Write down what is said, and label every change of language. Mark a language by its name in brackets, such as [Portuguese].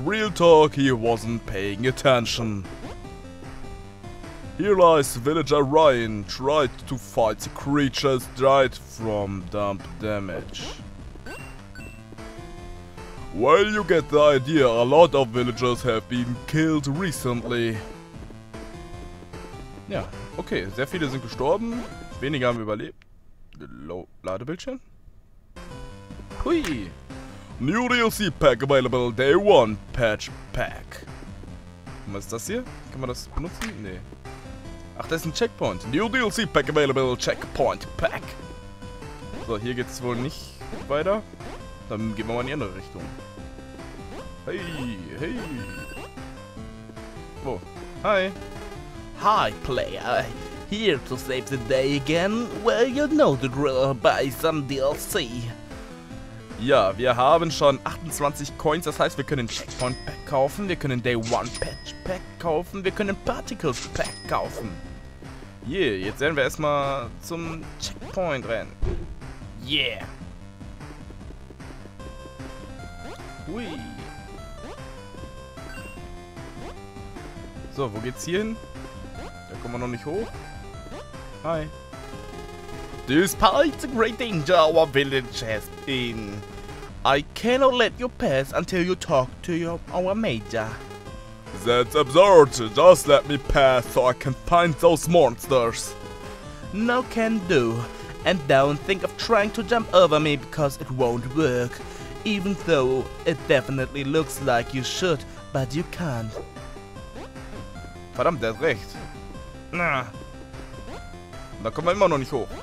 [English] Real talk, he wasn't paying attention. Here lies the villager Ryan. Tried to fight the creatures. Died from dump damage. Well, you get the idea. A lot of villagers have been killed recently. [German] Ja, okay, sehr viele sind gestorben, wenige haben überlebt. Ladebildschirm? Hui! [English] New DLC Pack available, Day 1 Patch Pack. [German] Was ist das hier? Kann man das benutzen? Nee. Ach, das ist ein Checkpoint. [English] New DLC Pack available, Checkpoint Pack. [German] So, hier geht's wohl nicht weiter. Dann gehen wir mal in die andere Richtung. [English] Hey! [German] Wo? Oh, hi! [English] Hi, player. Here to save the day again? Well, you know the drill, buy some DLC. [German] Ja, wir haben schon 28 Coins, das heißt, wir können Checkpoint Pack kaufen, wir können Day 1 Patch Pack kaufen, wir können Particles Pack kaufen. [English] Yeah, [German] jetzt werden wir erstmal zum Checkpoint rennen. [English] Yeah. Hui. [German] So, wo geht's hier hin? Kommen wir noch nicht hoch? Hi. [English] Despite the great danger our village has been, I cannot let you pass until you talk to our major. That's absurd. Just let me pass so I can find those monsters. No can do. And don't think of trying to jump over me because it won't work. Even though it definitely looks like you should, but you can't. [German] Verdammt, der hat recht. Na, da kommen wir immer noch nicht hoch.